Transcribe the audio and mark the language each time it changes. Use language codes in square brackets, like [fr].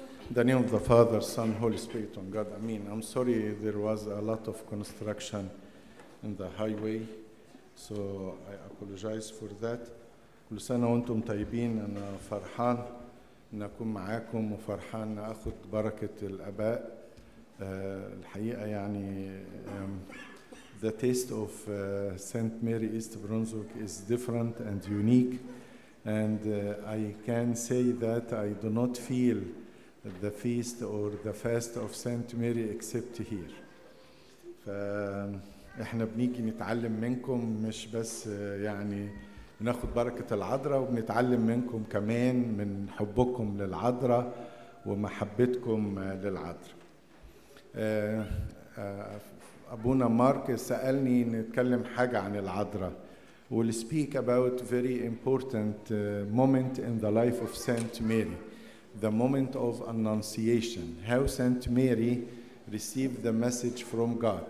[en] The name of the Father, Son, Holy Spirit, on God. I mean, I'm sorry there was a lot of construction in the highway, so I apologize for that. [ar] كل سنة وانتم طيبين. أنا فرحان أن أكون معاكم وفرحان أن أخذ بركة الآباء. [en] الحقيقة يعني the taste of Saint Mary East Brunswick is different and unique, and I can say that I do not feel the feast or the fast of Saint Mary except here. [ar] فإحنا بنيجي نتعلم منكم مش بس يعني بناخد بركة العذراء وبنتعلم منكم كمان من حبكم للعذراء ومحبتكم للعذراء. أبونا مارك سألني نتكلم حاجة عن العذراء. [en] We'll speak about very important moment in the life of Saint Mary, the moment of Annunciation, how Saint Mary received the message from God.